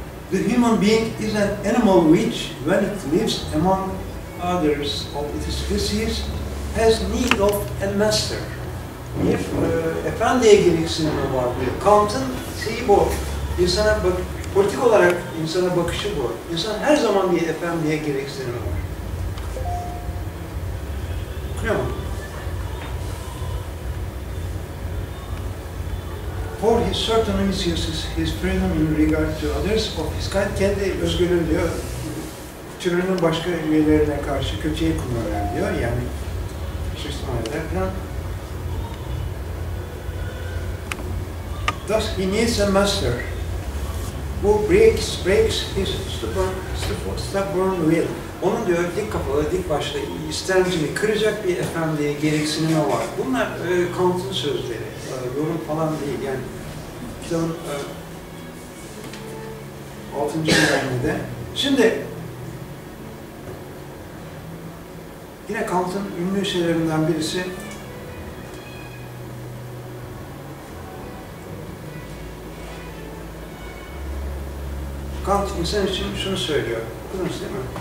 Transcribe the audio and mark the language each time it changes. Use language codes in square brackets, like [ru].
[en] The human being is an animal which, when it lives among others of its species, has need of a master. [tr] Bir efendiye gereksinimi var diyor. Kant'ın şeyi bu. İnsana bak, politik olarak insana bakışı bu. İnsan her zaman bir efendiye gereksinimi var. Okuyor mu? [en] For his certain misuses, his freedom in regard to others of his kind, [tr] kendi özgürlüğü diyor, türünün başka üyelerine karşı kötüye kullanır diyor, yani şişman eder falan. [en] Thus he needs a master who breaks his stubborn will. [tr] Onun diyor, dik kafalı, dik başlı, istencini kıracak bir efendiye gereksinimi var. Bunlar Kant'ın sözleri, yorum falan değil yani. Kitabın 6. önermede. Şimdi yine Kant'ın ünlü şeylerinden birisi Kant insan için şunu söylüyor. Okudunuz değil mi?